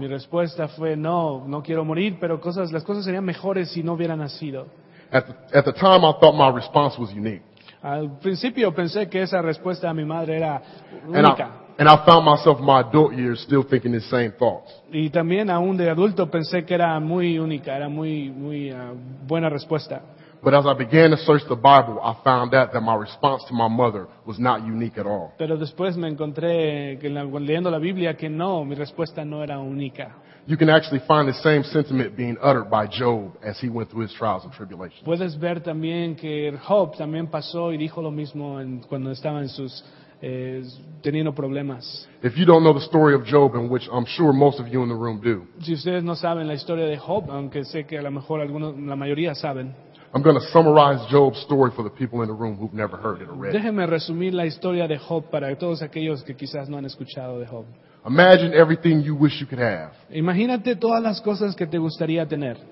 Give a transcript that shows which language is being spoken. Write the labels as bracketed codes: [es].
[es] Mi respuesta fue, no, no quiero morir, pero las cosas serían mejores si no hubiera nacido. [en] At the time I thought my response was unique. [es] Al principio pensé que esa respuesta a mi madre era única. [en] And I found myself in my adult years still thinking the same thoughts. [es] Y también aún de adulto pensé que era muy única, era muy muy buena respuesta. [en] But as I began to search the Bible, I found out that my response to my mother was not unique at all. [es] Pero después me encontré que leyendo la Biblia que no, mi respuesta no era única. [en] You can actually find the same sentiment being uttered by Job as he went through his trials and tribulations. [es] Puedes ver también que Job también pasó y dijo lo mismo cuando estaba en sus teniendo problemas. [en] If you don't know the story of Job, in which I'm sure most of you in the room do. [es] Si ustedes no saben la historia de Job, aunque sé que a lo mejor algunos, la mayoría saben. [en] I'm going to summarize Job's story for the people in the room who've never heard it or read. [es] Déjenme resumir la historia de Job para todos aquellos que quizás no han escuchado de Job. [en] Imagine everything you wish you could have. [es] Imagínate todas las cosas que te gustaría tener.